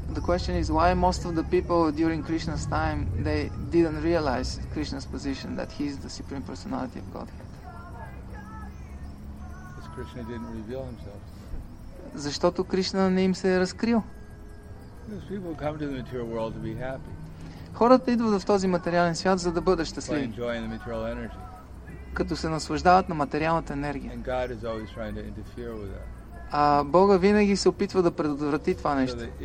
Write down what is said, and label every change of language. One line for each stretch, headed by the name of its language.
English: The question is why most of the people during Krishna's time they didn't realize Krishna's position that he is the Supreme Personality of Godhead. Because Krishna didn't reveal himself.
Bulgarian: Защото Кришна не им се е разкрил.
English: Because people come to the material world to be happy.
Bulgarian: Хората идват в този материален свят, за да бъдат щастливи.
English: By enjoying the material energy.
Bulgarian: Като се наслаждават на материалната енергия.
English: And God is always trying to interfere with that.
Bulgarian: А Бога винаги се опитва да предотврати това нещо.